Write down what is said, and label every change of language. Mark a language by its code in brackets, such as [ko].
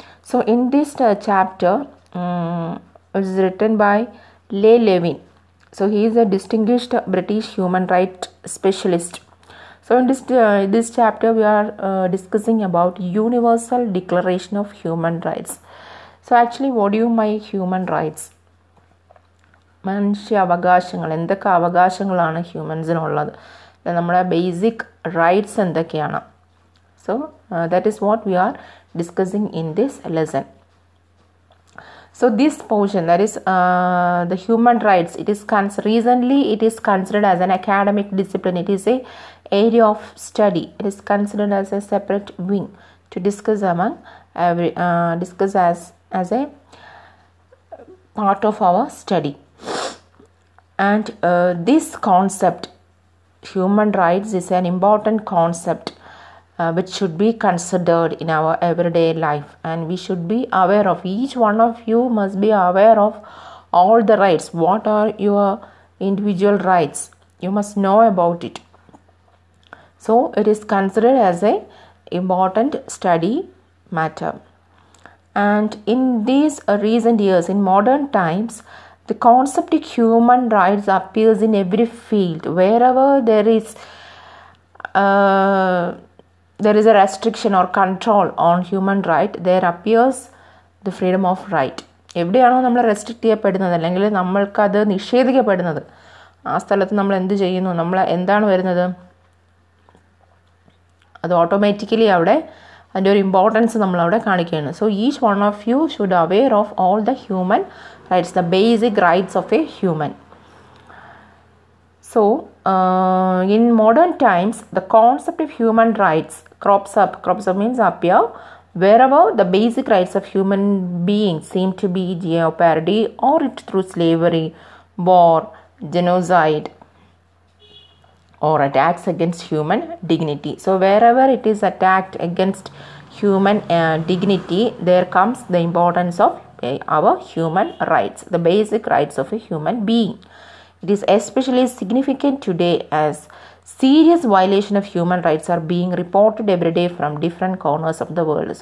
[en] So in this chapter, it is written by Leigh Levin. So he is a distinguished British human rights specialist. So in this chapter, we are discussing about Universal Declaration of Human Rights. So actually, what do you mean by human rights? [ml] മനുഷ്യ അവകാശങ്ങൾ, എന്തൊക്കെ അവകാശങ്ങളാണ് ഹ്യൂമൻസിനുള്ളത്, നമ്മുടെ [en] basic rights [ml] എന്തൊക്കെയാണ്. [en] So that is what we are discussing in this lesson. So this portion that is the human rights recently it is considered as an academic discipline. It is a area of study. It is considered as a separate wing to discuss among every discuss as a part of our study. And this concept, human rights, is an important concept which should be considered in our everyday life. And we should be aware of, each one of you must be aware of all the rights. What are your individual rights? You must know about it. So it is considered as a important study matter. And in these recent years, in modern times, the concept of human rights appears in every field. Wherever there is a restriction or control on human right, there appears the freedom of right. [ml] എവിടെയാണോ നമ്മൾ restrict ചെയ്യപ്പെടുന്നത് അല്ലെങ്കിൽ നമ്മൾക്കത് നിഷേധിക്കപ്പെടുന്നത്, ആ സ്ഥലത്ത് നമ്മൾ എന്ത് ചെയ്യുന്നു, നമ്മൾ എന്താണ് വരുന്നത്, അത് ഓട്ടോമാറ്റിക്കലി അവിടെ അതിൻ്റെ ഒരു ഇമ്പോർട്ടൻസ് നമ്മൾ അവിടെ കാണിക്കുകയാണ്. [en] So each one of you should aware of all the human rights, the basic rights of a human. So in modern times the concept of human rights crops up means appear where our the basic rights of human being seem to be jeopardy or it through slavery, war, genocide or attacks against human dignity. So wherever it is attacked against human dignity, there comes the importance of our human rights, the basic rights of a human being. It is especially significant today as serious violation of human rights are being reported every day from different corners of the world.